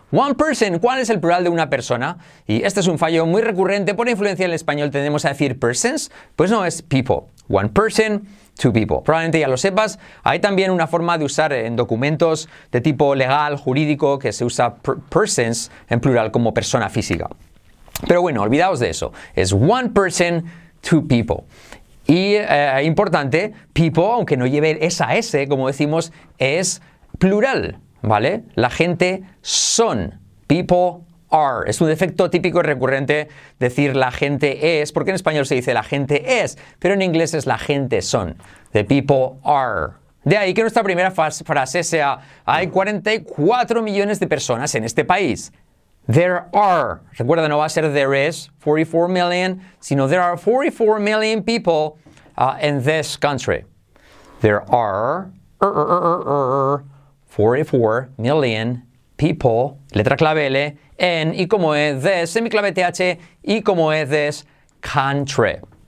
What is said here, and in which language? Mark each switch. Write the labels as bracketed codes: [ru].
[en] One person, [es] ¿cuál es el plural de una persona? Y este es un fallo muy recurrente, por influencia del español tendemos a decir persons, pues no, es people. [en] One person, two people. [es] Probablemente ya lo sepas, hay también una forma de usar en documentos de tipo legal, jurídico, que se usa persons en plural como persona física. Pero bueno, olvidaos de eso. Es [en] one person, two people. [es] Y importante, people, aunque no lleve esa S, como decimos, es plural, ¿vale? La gente son. [en] People are. [es] Es un defecto típico y recurrente decir la gente es, porque en español se dice la gente es, pero en inglés es la gente son. [en] The people are. [es] De ahí que nuestra primera frase sea, hay 44 millones de personas en este país. [en] There are, [es] recuerda, no va a ser [en] there is 44 million, sino there are 44 million people in this country. There are 44 million people, [es] letra clave L, en, y como es this, semiclave TH, y como es this country.